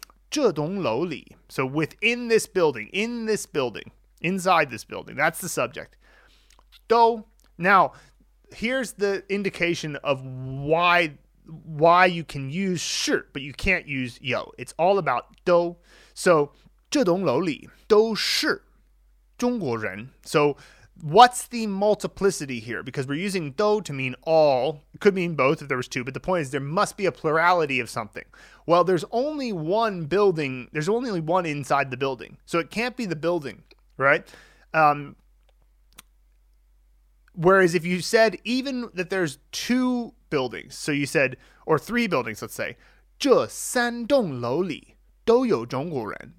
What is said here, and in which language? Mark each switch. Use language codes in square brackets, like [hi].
[zh] 这栋楼里. [en] So within this building, in this building, inside this building, that's the subject. Do. Now, here's the indication of why you can use 是, but you can't use 有. It's all about 都. [zh] So, 这栋楼里都是中国人. [en] So, what's the multiplicity here? Because we're using 都 to mean all. It could mean both if there was two, but the point is there must be a plurality of something. Well, there's only one building. There's only one inside the building. So, it can't be the building, right? Whereas if you said even that there's two buildings, so you said, or three buildings, let's say, [zh] 这三栋楼里都有中国人.